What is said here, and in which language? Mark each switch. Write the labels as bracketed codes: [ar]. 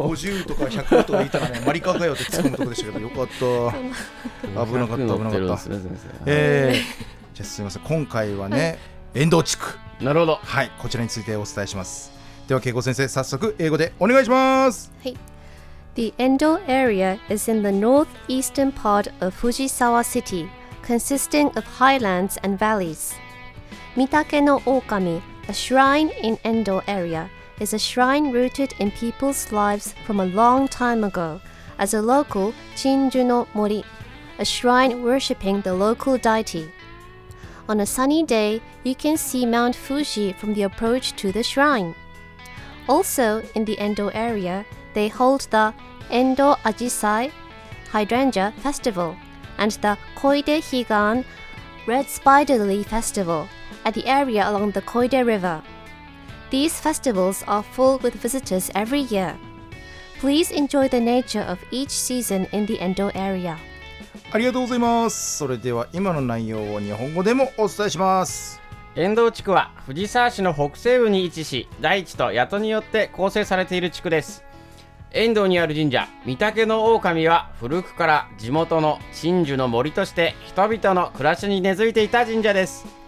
[ja] 50とか100とか言ったらね、マリカーかよって突っ込むとこでしたけど、よかった。危なかった危なかった。っ、ね、じゃあすみません、今回はね、遠藤地区、なるほど、はい、こちらについてお伝えします。では恵子先生、早速英語でお願いします。はい。 [en] The Endo area is in the northeastern part of Fujisawa City, consisting of highlands and valleys. Mitake no Okami, a shrine in Endo area, is a shrine rooted in people's lives from a long time ago. As a local, Chinju no Mori, a shrine worshipping the local deity. On a sunny day, you can see Mount Fuji from the approach to the shrine. Also, in the Endo area,They hold the Endo Ajisai Hydrangea Festival and the Koide Higan Red Spiderly Festival at the area along the Koide River. These festivals are full with visitors every year. Please enjoy the nature of each season in the Endo area. [ja] ありがとうございます。それでは今の内容を日本語でもお伝えします。遠藤地区は藤沢市の北西部に位置し、大地と谷戸によって構成されている地区です。遠藤にある神社御岳の狼は古くから地元の鎮守の森として人々の暮らしに根付いていた神社です。